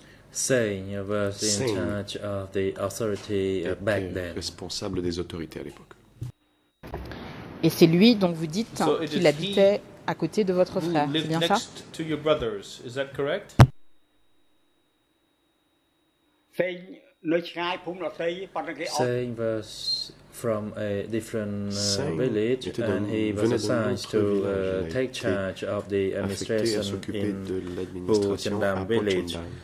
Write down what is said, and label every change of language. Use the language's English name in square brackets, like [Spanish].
[English] Saying was in charge of the authority back then. [French] Responsable des autorités à l'époque. Et c'est lui dont vous dites qu'il habitait à côté de votre frère, c'est bien ça? [English] To your brothers, is that correct? Saying was from a different village, and he was assigned to take charge of the administration in Bojendam village.